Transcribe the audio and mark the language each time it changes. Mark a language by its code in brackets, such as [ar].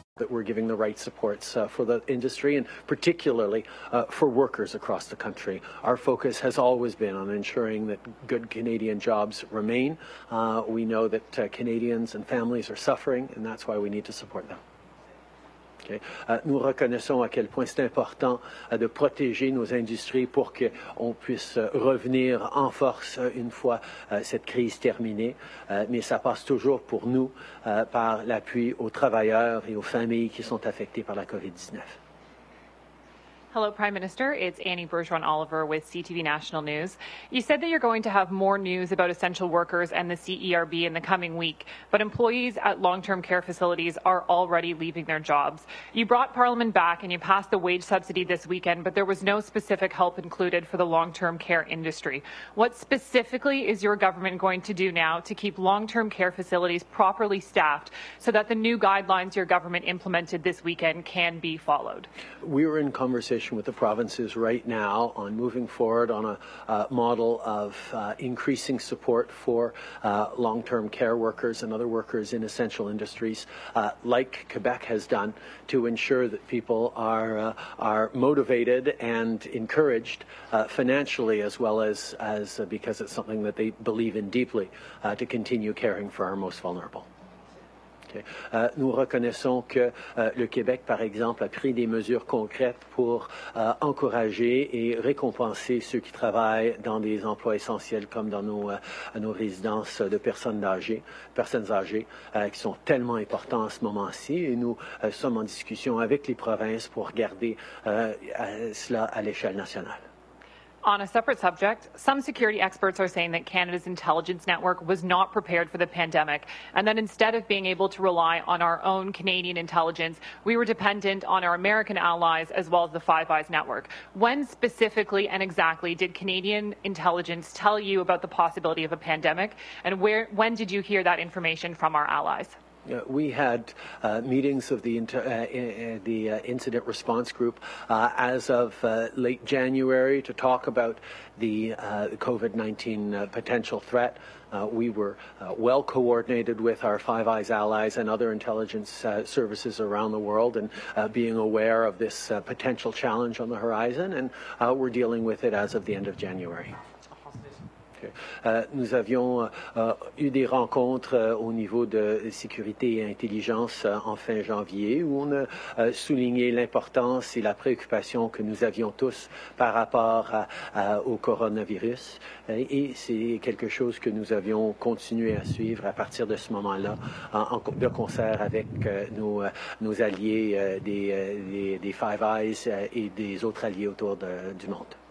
[en] That we're giving the right supports for the industry, and particularly for workers across the country. Our focus has always been on ensuring that good Canadian jobs remain. We know that Canadians and families are suffering, and that's why we need to support them. Okay. [fr] Nous reconnaissons à quel point c'est important de protéger nos industries pour qu'on puisse revenir en force une fois cette crise terminée. Mais ça passe toujours pour nous par l'appui aux travailleurs et aux familles qui sont affectées par la COVID-19. [en] Hello, Prime Minister. It's Annie Bergeron-Oliver with CTV National News. You said that you're going to have more news about essential workers and the CERB in the coming week, but employees at long-term care facilities are already leaving their jobs. You brought Parliament back and you passed the wage subsidy this weekend, but there was no specific help included for the long-term care industry. What specifically is your government going to do now to keep long-term care facilities properly staffed so that the new guidelines your government implemented this weekend can be followed? We were in conversation with the provinces right now on moving forward on a model of increasing support for long-term care workers and other workers in essential industries, like Quebec has done, to ensure that people are motivated and encouraged financially as well as because it's something that they believe in deeply to continue caring for our most vulnerable. [fr] Nous reconnaissons que le Québec, par exemple, a pris des mesures concrètes pour encourager et récompenser ceux qui travaillent dans des emplois essentiels comme dans nos résidences de personnes âgées, qui sont tellement importants en ce moment-ci. Et nous sommes en discussion avec les provinces pour garder cela à l'échelle nationale. [en] On a separate subject, some security experts are saying that Canada's intelligence network was not prepared for the pandemic, and that instead of being able to rely on our own Canadian intelligence, we were dependent on our American allies as well as the Five Eyes network. When specifically and exactly did Canadian intelligence tell you about the possibility of a pandemic, and when did you hear that information from our allies? We had meetings of the incident response group as of late January to talk about the COVID-19 potential threat. We were well coordinated with our Five Eyes allies and other intelligence services around the world and being aware of this potential challenge on the horizon, and we're dealing with it as of the end of January. [fr] Nous avions eu des rencontres au niveau de sécurité et intelligence en fin janvier où on a souligné l'importance et la préoccupation que nous avions tous par rapport au coronavirus. Et c'est quelque chose que nous avions continué à suivre à partir de ce moment-là, de concert avec nos alliés des Five Eyes et des autres alliés autour du monde.